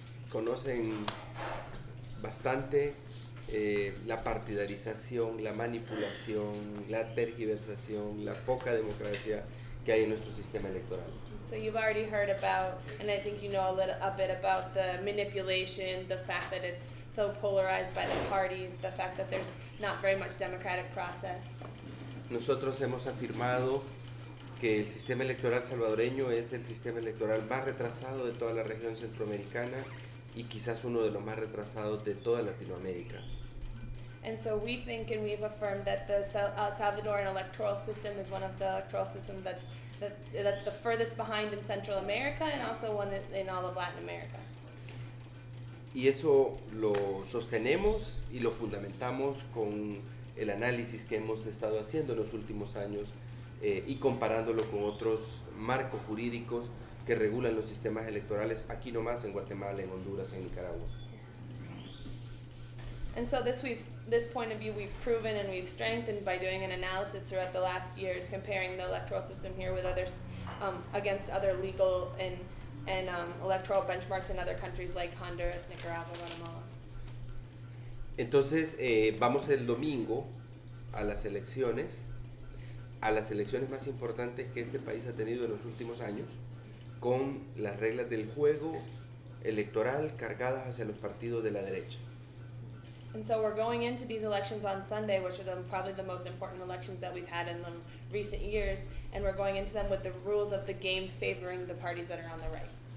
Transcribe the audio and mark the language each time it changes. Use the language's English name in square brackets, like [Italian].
[Spanish] Conocen bastante la partidarización, la manipulación, la tergiversación, la poca democracia que hay en nuestro sistema electoral. [English] So you've already heard about, and I think you know a bit about the manipulation, the fact that it's so polarized by the parties, the fact that there's not very much democratic process. [Spanish] Nosotros hemos afirmado que el sistema electoral salvadoreño es el sistema electoral más retrasado de toda la región centroamericana y quizás uno de los más retrasados de toda Latinoamérica. [English] And so we think and we've affirmed that the Salvadoran electoral system is one of the electoral systems that's the furthest behind in Central America and also one in all of Latin America. [Spanish] Y eso lo sostenemos y lo fundamentamos con el análisis que hemos estado haciendo en los últimos años y comparándolo con otros marcos jurídicos que regulan los sistemas electorales aquí nomás en Guatemala, en Honduras, en Nicaragua. [English] And so this point of view we've proven and we've strengthened by doing an analysis throughout the last years, comparing the electoral system here with others, against other legal and electoral benchmarks in other countries like Honduras, Nicaragua, Guatemala. [Spanish] Entonces vamos el domingo a las elecciones más importantes que este país ha tenido en los últimos años, con las reglas del juego electoral cargadas hacia los partidos de la derecha. [English] And so we're going into these elections on Sunday, which are probably the most important elections that we've had in the recent years, and we're going into them with the rules of the game favoring the parties that are on the right.